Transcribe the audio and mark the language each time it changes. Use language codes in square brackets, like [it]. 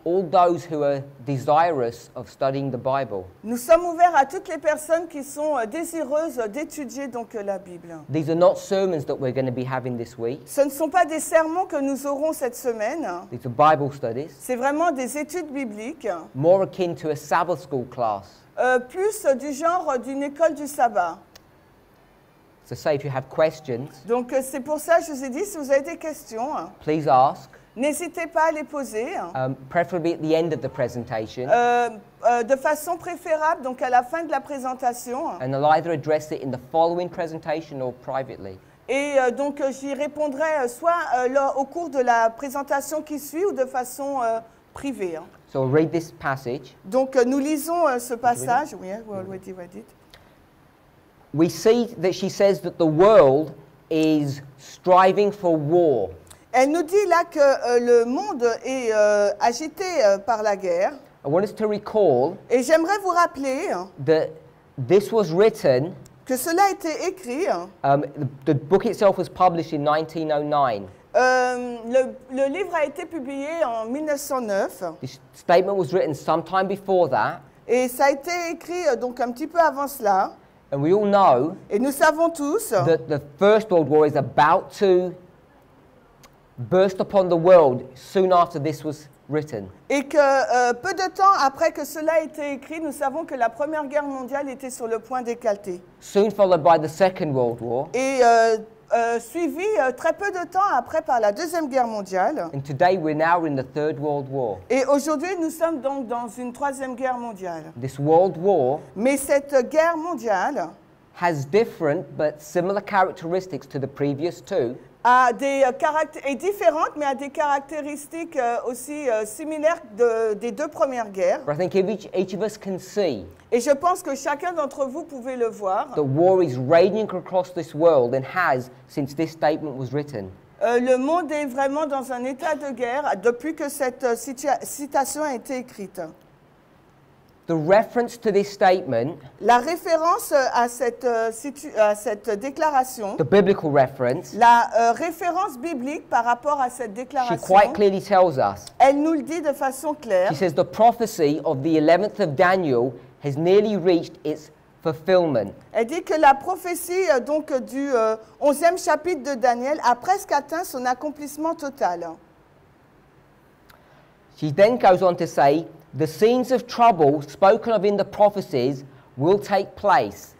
[en] All those who are desirous of studying the Bible. [fr] Nous sommes ouverts à toutes les personnes qui sont désireuses d'étudier donc la Bible. [en] These are not sermons that we're going to be having this week. [fr] Ce ne sont pas des sermons que nous aurons cette semaine. [en] These are Bible studies. [fr] C'est vraiment des études bibliques. [en] More akin to a Sabbath school class. [fr] Plus du genre d'une école du sabbat. [en] So say if you have questions. [fr] Donc c'est pour ça je vous ai dit si vous avez des questions. [en] Please ask. [fr] N'hésitez pas à les poser. [en] Preferably at the end of the presentation. [fr] De façon préférable donc à la fin de la présentation. [en] And I'll either address it in the following presentation or privately. [fr] Et donc j'y répondrai soit au cours de la présentation qui suit ou de façon privée. [en] So we'll read this passage. [fr] Donc nous lisons ce passage. Oui, [en] we'll read it. We see that she says that the world is striving for war. [fr] Elle nous dit là que le monde est agité par la guerre. [en] I want us to recall. [fr] Et j'aimerais vous rappeler [en] that this was written. [fr] Que cela a été écrit. [en] The book itself was published in 1909. [fr] Le livre a été publié en 1909. [en] This statement was written sometime before that. [fr] Et ça a été écrit donc un petit peu avant cela. [en] And we all know [fr] et nous savons tous [en] that the First World War is about to burst upon the world soon after this was written. [fr] Et que peu de temps après que cela a été écrit, nous savons que la Première Guerre mondiale était sur le point d'éclater. [en] Soon followed by the Second World War. [fr] Et suivi très peu de temps après par la Deuxième Guerre mondiale. [en] And today we're now in the Third World War. [fr] Et aujourd'hui nous sommes donc dans une Troisième Guerre mondiale. [en] This World War. [fr] Mais cette guerre mondiale [en] has different but similar characteristics to the previous two. [fr] A des est différente mais a des caractéristiques aussi similaires des deux premières guerres. [en] But I think each of us can see. [fr] Et je pense que chacun d'entre vous pouvait le voir. [en] The war is raging across this world and has since this statement was written. [fr] Le monde est vraiment dans un état de guerre depuis que cette citation a été écrite. [en] The reference to this statement. [fr] La référence à cette déclaration. [en] The biblical reference. [fr] La référence biblique par rapport à cette déclaration. [en] She quite clearly tells us. [fr] Elle nous le dit de façon claire. [en] She says the prophecy of the 11th of Daniel has nearly reached its fulfillment. [fr] Elle dit que la prophétie donc du 11e chapitre de Daniel a presque atteint son accomplissement total. [en] She then goes on to say, the scenes of trouble spoken of in the prophecies will take place.